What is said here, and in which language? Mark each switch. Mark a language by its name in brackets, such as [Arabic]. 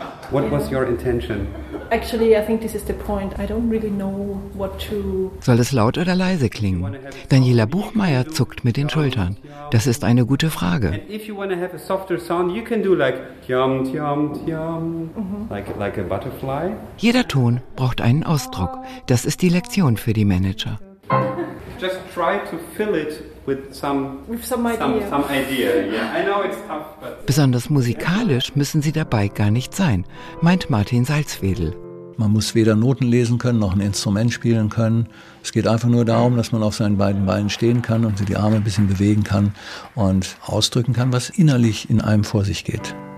[English] What was your intention? Actually, I think this is the point. I don't really know what to. [German] Soll es laut oder leise klingen? Daniela Buchmeier zuckt mit den Schultern. Das ist eine gute Frage. [English] And if you want to have a softer sound, you can do like tiam tiam tiam, like a butterfly. [German] Jeder Ton braucht einen Ausdruck. Das ist die Lektion für die Manager. [English] Just try to fill it with some idea. Yeah, I know it's tough, but [German] besonders musikalisch müssen sie dabei gar nicht sein, meint Martin Salzwedel. Man muss weder Noten lesen können, noch ein Instrument spielen können. Es geht einfach nur darum, dass man auf seinen beiden Beinen stehen kann und sich die Arme ein bisschen bewegen kann und ausdrücken kann, was innerlich in einem vor sich geht.